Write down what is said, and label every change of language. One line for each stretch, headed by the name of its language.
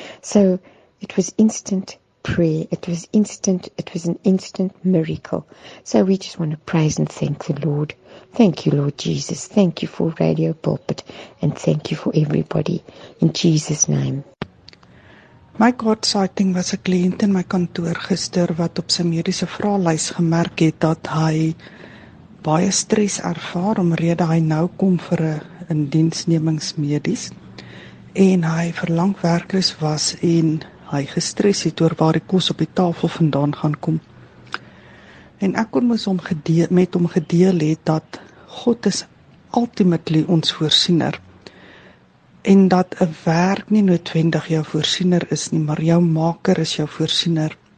English: So it was instant prayer, it was an instant miracle. So we just want to praise and thank the Lord. Thank you, Lord Jesus. Thank you for Radio Pulpit, and thank you for everybody. In Jesus' name.
Afrikaans: My Godsighting was 'n kliënt in my kantoor gister wat op sy mediese vraelys gemerk het dat hy baie stres ervaar omrede hy nou kom vir 'n indiensnemingsmedies en hy verlang werkloos was en hy gestres het oor waar die kos op die tafel vandaan gaan kom. En ek kon met hom gedeel het dat God is ultimately ons voorsiener. En dat 'n werk nie noodwendig jou voorsiener is nie, maar jou maker is jou voorsiener.